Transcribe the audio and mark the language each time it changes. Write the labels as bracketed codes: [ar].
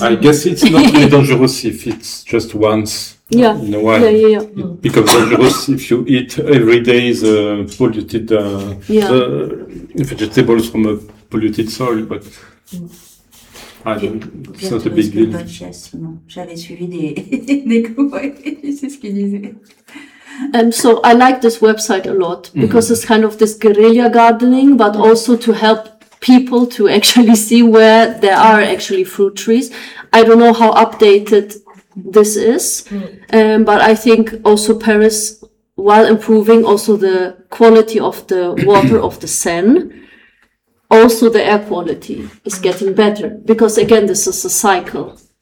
[en] I guess it's not really dangerous if it's just once. Yeah. No, why? Yeah. Because dangerous if you eat every day the polluted the vegetables from a polluted soil, but I don't. It's not a big deal. [fr] J'avais suivi des cours, c'est ce qu'il disait. [en] So I like this website a lot because mm-hmm. it's kind of this guerrilla gardening, but mm-hmm. also to help people to actually see where there are actually fruit trees. I don't know how updated this is, but I think also Paris, while improving also the quality of the water of the Seine, also the air quality is getting better, because again this is a cycle.